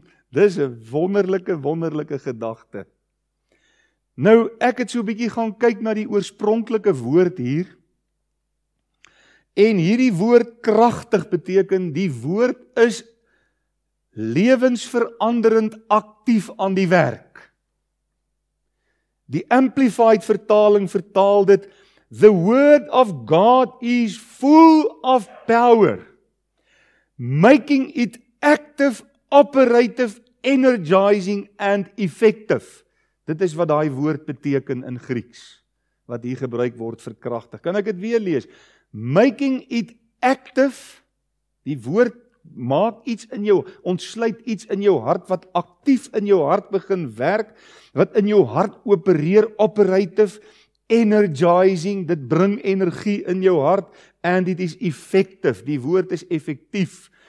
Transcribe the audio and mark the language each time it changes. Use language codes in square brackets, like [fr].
[af] Dis 'n wonderlike, wonderlike gedagte. Nou, ek het so 'n bietjie gaan kyk na die oorspronklike woord hier, en hierdie woord kragtig beteken, die woord is lewensveranderend aktief aan die werk. Die Amplified vertaling vertaal dit, [en] The word of God is full of power, making it active, operative, energizing and effective. [af] Dit is wat daai woord beteken in Grieks, wat hier gebruik word vir kragtig. Kan ek dit weer lees? [en] Making it active, [af] die woord maak iets in jou, ontsluit iets in jou hart, wat aktief in jou hart begin werk, wat in jou hart opereer, [en] operative, energizing, [af] dit bring energie in jou hart, [en] and it is effective, [af] die woord is effectief,